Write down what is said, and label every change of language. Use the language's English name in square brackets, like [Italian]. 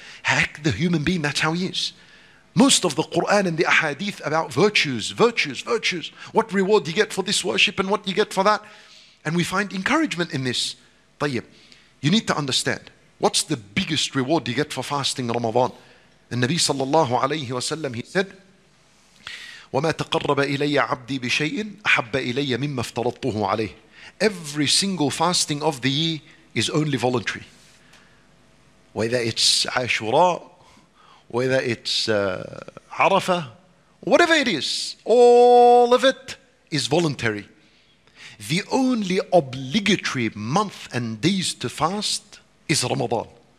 [English] Heck, the human being, that's how he is. Most of the Quran and the hadith about virtues, virtues, virtues. What reward you get for this worship and what you get for that. And we find encouragement in this. Tayyib, you need to understand, what's the biggest reward you get for fasting Ramadan? The Nabi sallallahu alayhi wasallam, he said, [Arabic] وَمَا تَقَرَّبَ إِلَيَّ عَبْدِي بِشَيْءٍ أَحَبَّ إِلَيَّ مِمَّ افْتَرَطْتُهُ عَلَيْهِ. [English] Every single fasting of the year is only voluntary. Whether it's Ashura, whether it's Arafah, whatever it is, all of it is voluntary. The only obligatory month and days to fast is Ramadan.